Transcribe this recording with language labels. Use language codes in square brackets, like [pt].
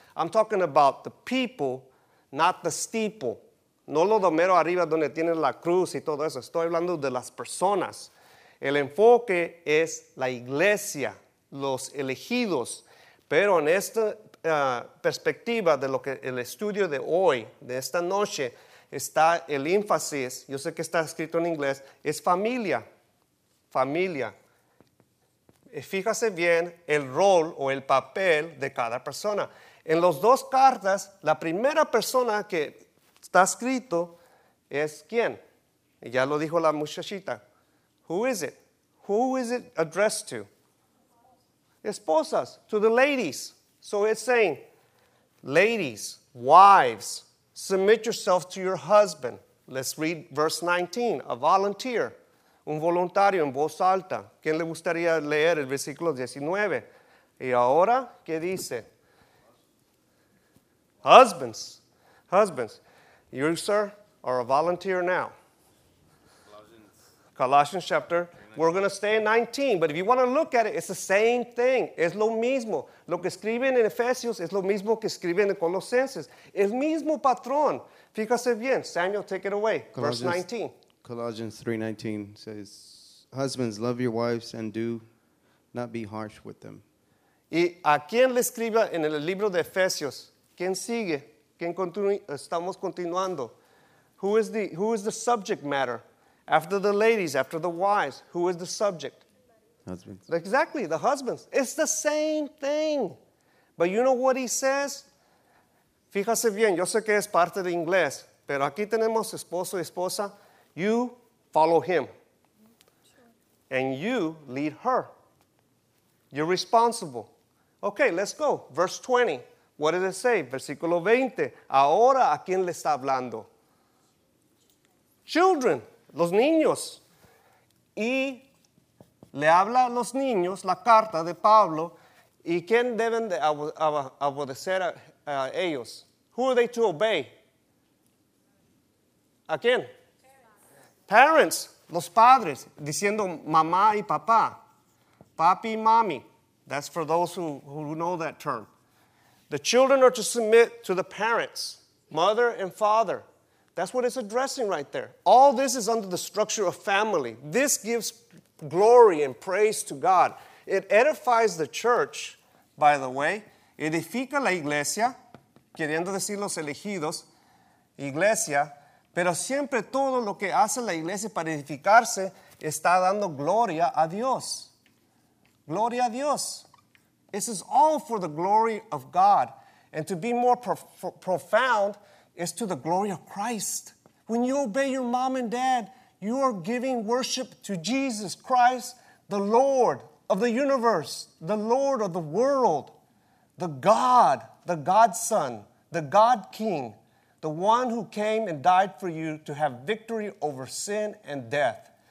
[en] I'm talking about the people, not the steeple. [es] No lo de mero arriba donde tiene la cruz y todo eso. Estoy hablando de las personas. El enfoque es la iglesia, los elegidos. Pero en esta perspectiva de lo que el estudio de hoy, de esta noche, está el énfasis, yo sé que está escrito en inglés, es familia, familia. Fíjase bien el rol o el papel de cada persona. En las dos cartas, la primera persona que está escrito es ¿quién? Ya lo dijo la muchachita. [en] Who is it? Who is it addressed to? Esposas, to the ladies. So it's saying, ladies, wives, submit yourself to your husband. Let's read verse 19. A volunteer, [es] un voluntario en voz alta. ¿Quién le gustaría leer el versículo 19? Y ahora, ¿qué dice? [en] Husbands, husbands. You, sir, are a volunteer now. Colossians chapter, we're going to stay in 19, but if you want to look at it, it's the same thing. [es] Es lo mismo. Lo que escriben en Efesios es lo mismo que escriben en Colosenses. El mismo patrón. Fíjase bien. Samuel, [en] take it away. Verse 19. Colossians 3:19 says, husbands, love your wives and do not be harsh with them. [es] ¿Y a quién le escriba en el libro de Efesios? ¿Quién sigue? ¿Quién continúa? Estamos continuando. [en] Who is the subject matter? After the ladies, after the wives, who is the subject? Husbands. Exactly, the husbands. It's the same thing. But you know what he says? [es] Fíjase bien, yo sé que es parte de inglés, pero aquí tenemos esposo y esposa. [en] You follow him. And you lead her. You're responsible. Okay, let's go. Verse 20. What does it say? [es] Versículo 20. Ahora, ¿a quién le está hablando? Children, los niños. Y le habla a los niños la carta de Pablo. ¿Y quién deben de obedecer a ellos? [en] Who are they to obey? [es] ¿A quién? Parents, los padres, diciendo mamá y papá. Papi y mami. [en] That's for those who know that term. The children are to submit to the parents, mother and father. That's what it's addressing right there. All this is under the structure of family. This gives glory and praise to God. It edifies the church, by the way. [es] Edifica la iglesia, queriendo decir los elegidos, iglesia. Pero siempre todo lo que hace la iglesia para edificarse está dando gloria a Dios. Gloria a Dios. [en] This is all for the glory of God. And to be more profound is to the glory of Christ. When you obey your mom and dad, you are giving worship to Jesus Christ, the Lord of the universe, the Lord of the world, the God-Son, the God-King, the one who came and died for you to have victory over sin and death.